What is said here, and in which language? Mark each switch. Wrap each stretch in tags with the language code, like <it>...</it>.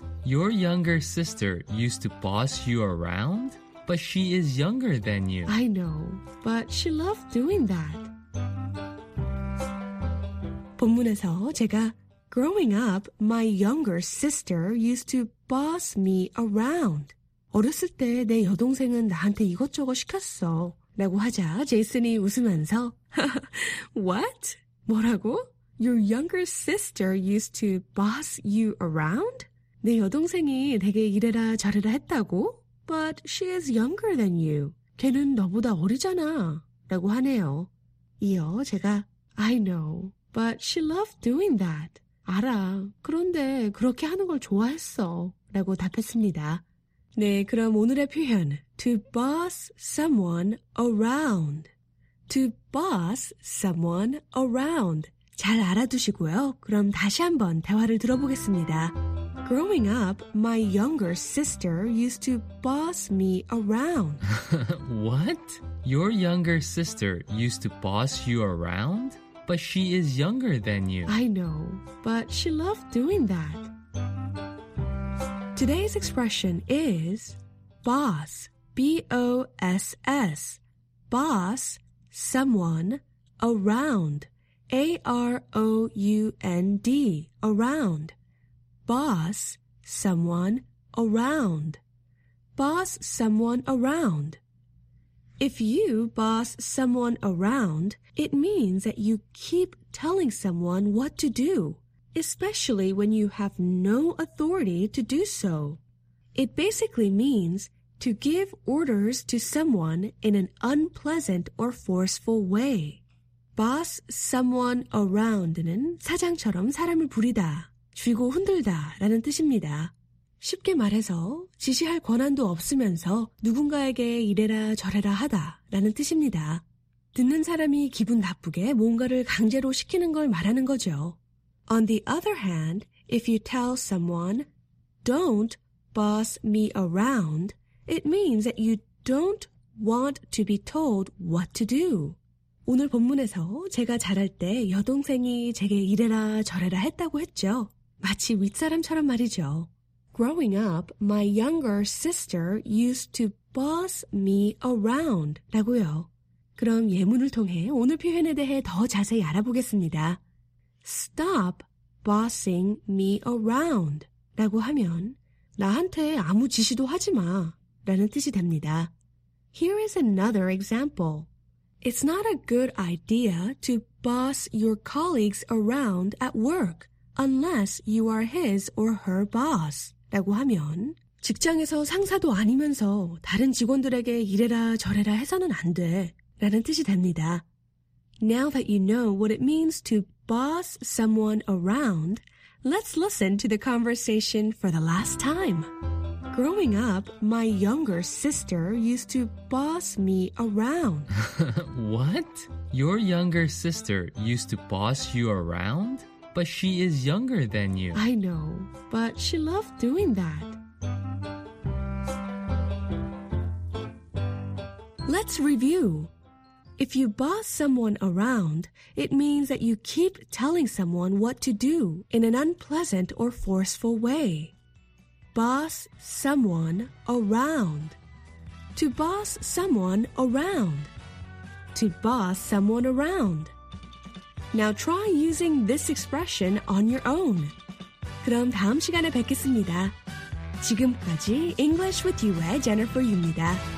<en>Your younger sister used to boss you around? But she is younger than you. I know, but she loved doing that.</en> <ko>본문에서 제가</ko> <en>Growing up, my younger sister used to boss me around.</en> <ko>어렸을 때 내 여동생은 나한테 이것저것 시켰어. 라고 하자 제이슨이 웃으면서</ko> <en>What?</en> <ko>뭐라고?</ko> <en>Your younger sister used to boss you around?</en> <ko>내 여동생이 되게 이래라 저래라 했다고?</ko> <en>But she is younger than you.</en> <ko>걔는 너보다 어리잖아. 라고 하네요. 이어 제가</ko> <en>I know, but she loved doing that.</en> <ko>알아. 그런데 그렇게 하는 걸 좋아했어. 라고 답했습니다. 네, 그럼 오늘의 표현.</ko> <en>To boss someone around. To boss someone around.</en> <ko>잘 알아두시고요. 그럼 다시 한번 대화를 들어보겠습니다.</ko> <en>Growing up, my younger sister used to boss me around. What? Your younger sister used to boss you around? But she is younger than you. I know, but she loved doing that. Today's expression is boss, B-O-S-S, boss someone around, A-R-O-U-N-D, around, boss someone around, boss someone around. If you boss someone around, it means that you keep telling someone what to do, especially when you have no authority to do so. It basically means to give orders to someone in an unpleasant or forceful way. Boss someone around</en> <ko>는 사장처럼 사람을 부리다, 쥐고 흔들다 라는 뜻입니다. 쉽게 말해서 지시할 권한도 없으면서 누군가에게 이래라 저래라 하다 라는 뜻입니다. 듣는 사람이 기분 나쁘게 뭔가를 강제로 시키는 걸 말하는 거죠.</ko> <en>On the other hand, if you tell someone, don't boss me around, it means that you don't want to be told what to do.</en> <ko>오늘 본문에서 제가 자랄 때 여동생이 제게 이래라 저래라 했다고 했죠. 마치 윗사람처럼 말이죠.</ko> <en>Growing up, my younger sister used to boss me around</en> <ko>라고요. 그럼 예문을 통해 오늘 표현에 대해 더 자세히 알아보겠습니다.</ko> <en>Stop bossing me around</en> <ko>라고 하면 나한테 아무 지시도 하지 마 라는 뜻이 됩니다.</ko> <en>Here is another example. It's not a good idea to boss your colleagues around at work unless you are his or her boss.</en> <ko>라고 하면 직장에서 상사도 아니면서 다른 직원들에게 이래라 저래라 해서는 안 돼 라는 뜻이 됩니다.</ko> <en>Now that you know what it means to boss someone around, let's listen to the conversation for the last time. Growing up, my younger sister used to boss me around. What? Your younger sister used to boss you around? But she is younger than you. I know, but she loved doing that. Let's review. If you boss someone around, it means that you keep telling someone what to do in an unpleasant or forceful way. Boss someone around. To boss someone around. To boss someone around. Now try using this expression on your own.</en> <ko>그럼 다음 시간에 뵙겠습니다. 지금까지 English with you의 Jennifer 유입니다.</ko>